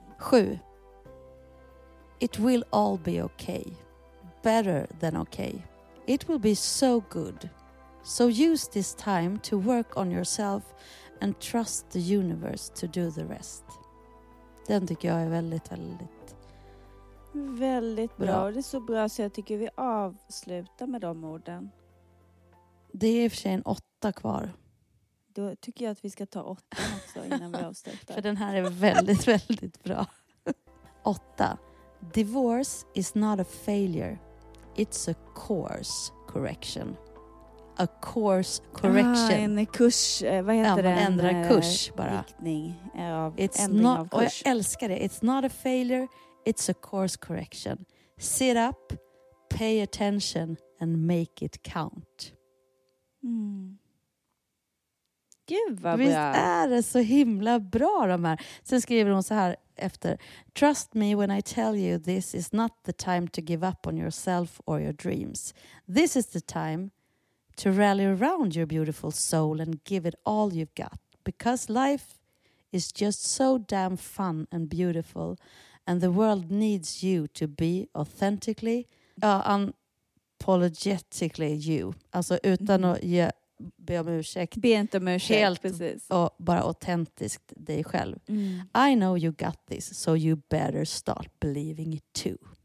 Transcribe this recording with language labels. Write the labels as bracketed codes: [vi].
[en] 7. It will all be okay, better than okay. It will be so good. So use this time to work on yourself and trust the universe to do the rest. [sv] Den tycker jag är väldigt, väldigt, väldigt bra. Och det är så bra så jag tycker vi avslutar med de orden. Det är i och för sig en 8 kvar. Då tycker jag att vi ska ta 8 också innan vi avslutar. För den här är väldigt, väldigt bra. [en] 8. Divorce is not a failure. It's a course correction. A course correction. [sv] En kurs, vad heter det? Man ändrar en kurs bara. Riktning av it's ändring [en] not, [sv] av kurs. Och jag älskar det. [en] It's not a failure. It's a course correction. Sit up, pay attention and make it count. [sv] Mm. Gud vad bra. Visst är det så himla bra de här. Sen skriver hon så här efter. [en] Trust me when I tell you this is not the time to give up on yourself or your dreams. This is the time to rally around your beautiful soul and give it all you've got. Because life is just so damn fun and beautiful. And the world needs you to be authentically, unapologetically you. [sv] Alltså utan att be om ursäkt. Be inte om ursäkt, helt, precis. Och bara autentiskt dig själv. Mm. [en] I know you got this, so you better start believing it too.